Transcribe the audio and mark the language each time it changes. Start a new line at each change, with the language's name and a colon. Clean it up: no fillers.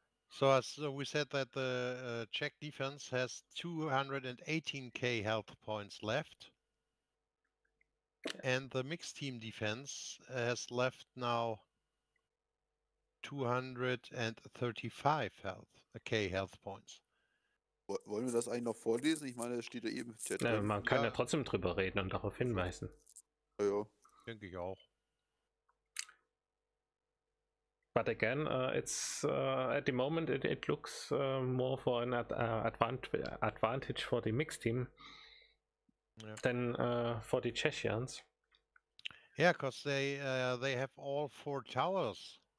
English: So as we said that the Czech defense has 218k health points left. And the mixed team defense has left now 235k health points.
German: Wollen wir das eigentlich noch vorlesen? Ich meine, das steht da eben. Ja, man kann ja trotzdem drüber reden und darauf hinweisen. Ja, ja. Denke ich auch.
English: But again, it's at the moment it looks more for an advantage for the mixed team. Yeah. Then for the Czechians. Yeah, because they have all four towers.